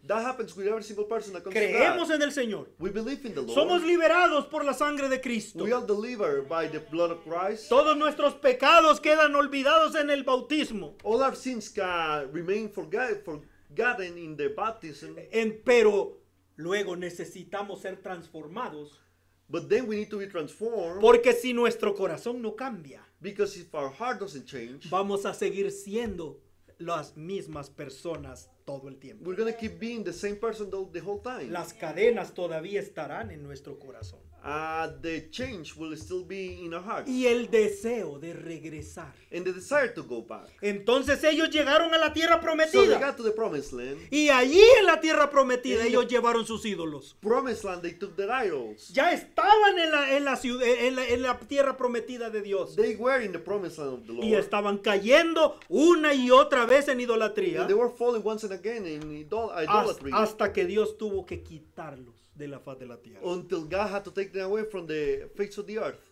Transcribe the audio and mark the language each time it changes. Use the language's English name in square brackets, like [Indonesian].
[English] That happens with every single person that comes. [Spanish] Creemos en el Señor. [English] We believe in the Lord. [Spanish] Somos liberados por la sangre de Cristo. [English] We are delivered by the blood of Christ. [Spanish] Todos nuestros pecados quedan olvidados en el bautismo. [English] All our sins can remain forgotten in the baptism. [Spanish] Pero luego necesitamos ser transformados. [English] But then we need to be transformed. [Spanish] Porque si nuestro corazón no cambia, [English] because if our heart doesn't change, [Spanish] vamos a seguir siendo las mismas personas todo el tiempo. [English] We're going to keep being the same person the whole time. [Spanish] Las cadenas todavía estarán en nuestro corazón. [English] The change will still be in our hearts. [Spanish] Y el deseo de regresar. [English] And the desire to go back. [Spanish] Entonces ellos llegaron a la tierra prometida. [English] So they got to the promised land. [Spanish] Y allí en la tierra prometida ellos llevaron sus ídolos. [English] Promised land, they took their idols. [Spanish] Ya estaban en la tierra prometida de Dios. [English] They were in the promised land of the Lord. [Spanish] Y estaban cayendo una y otra vez en idolatría. [English] And they were falling once and again in idolatry. [Spanish] Hasta que Dios tuvo que quitarlos de la faz de la tierra. [English] Until God had to take them away from the face of the earth.